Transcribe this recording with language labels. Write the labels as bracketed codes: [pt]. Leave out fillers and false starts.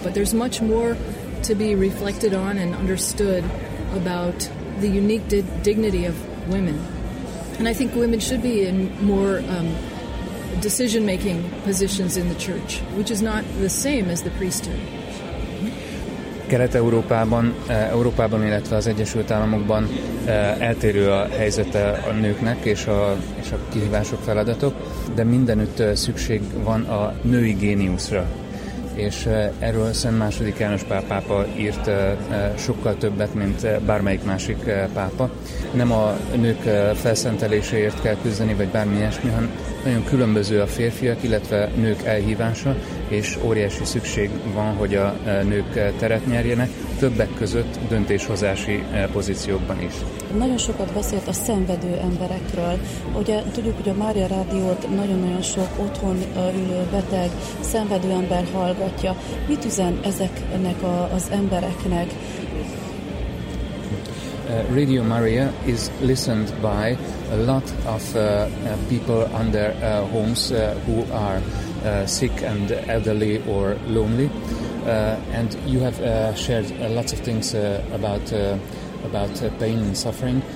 [en] But there's much more to be reflected on and understood about the unique dignity of women. And I think women should be in more decision-making positions in the church, which is not the same as the priesthood. [hu] Kelet-Európában, Európában, illetve az Egyesült Államokban eltérő a helyzete a nőknek és a kihívások, feladatok, de mindenütt szükség van a női géniuszra. És erről Szent II. János Pál pápa írt sokkal többet, mint bármelyik másik pápa. Nem a nők felszenteléséért kell küzdeni, vagy bármi ilyesmi, hanem nagyon különböző a férfiak, illetve nők elhívása, és óriási szükség van, hogy a nők teret nyerjenek, többek között döntéshozási pozíciókban is. Nagyon sokat beszélt a szenvedő emberekről. Ugye tudjuk, hogy a Mária Rádiót nagyon-nagyon sok otthon ülő beteg, szenvedő ember hallgatja. Mit üzen ezeknek az embereknek? [en] Radio Maria is listened by a lot of people under homes who are sick and elderly or lonely, and you have shared lots of things about pain and suffering.